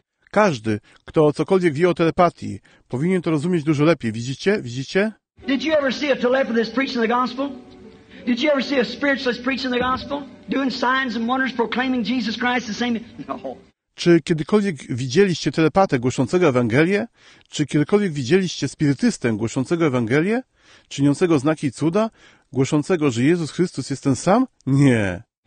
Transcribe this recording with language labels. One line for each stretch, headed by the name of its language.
Polish: Każdy, kto cokolwiek wie o telepatii, powinien to rozumieć dużo lepiej. Widzicie? Widzicie?
English: Did you ever see a telepathist preaching the gospel? Did you ever see a spiritualist preaching the gospel? Doing signs and wonders, proclaiming Jesus Christ the same? No.
Polish: Czy kiedykolwiek widzieliście telepatę głoszącego Ewangelię? Czy kiedykolwiek widzieliście spirytystę głoszącego Ewangelię? Czyniącego znaki i cuda? Głoszącego, że Jezus Chrystus jest ten sam? Nie.